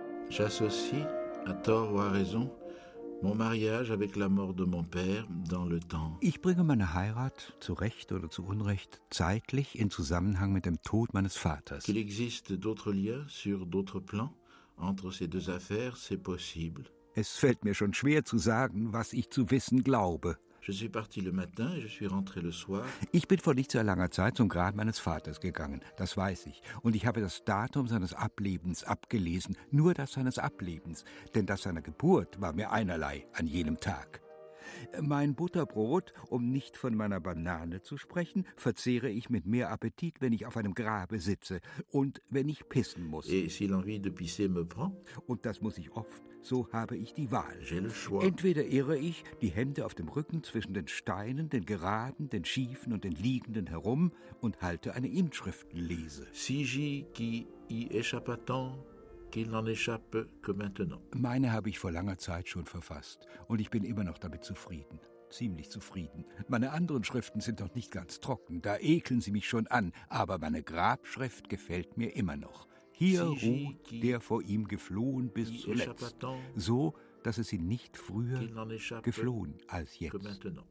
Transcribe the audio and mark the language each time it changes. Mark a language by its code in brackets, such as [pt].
[fr] J'associe, à tort ou à raison, mon mariage avec la mort de mon père dans le temps. [de] Ich bringe meine Heirat, zu Recht oder zu Unrecht, zeitlich in Zusammenhang mit dem Tod meines Vaters. [fr] Qu'il existe d'autres liens sur d'autres plans entre ces deux affaires, c'est possible. [de] Es fällt mir schon schwer zu sagen, was ich zu wissen glaube. [fr] Je suis parti le matin et je suis rentré le soir. [de] Ich bin vor nicht sehr langer Zeit zum Grab meines Vaters gegangen, das weiß ich. Und ich habe das Datum seines Ablebens abgelesen, nur das seines Ablebens. Denn das seiner Geburt war mir einerlei an jenem Tag. Mein Butterbrot, um nicht von meiner Banane zu sprechen, verzehre ich mit mehr Appetit, wenn ich auf einem Grabe sitze und wenn ich pissen muss. [fr] Et si l'envie de pisser me prend? [de] Und das muss ich oft. So habe ich die Wahl. [fr] J'ai le choix. [de] Entweder irre ich, die Hände auf dem Rücken zwischen den Steinen, den Geraden, den Schiefen und den Liegenden herum und halte eine Inschriftenlese. [fr] Si j'y qui y échappe tant, qu'il n'en échappe que maintenant. [de] Meine habe ich vor langer Zeit schon verfasst und ich bin immer noch damit zufrieden. Ziemlich zufrieden. Meine anderen Schriften sind noch nicht ganz trocken, da ekeln sie mich schon an, aber meine Grabschrift gefällt mir immer noch. Hier ruht der vor ihm geflohen bis zuletzt, so, dass es ihn nicht früher geflohen als jetzt.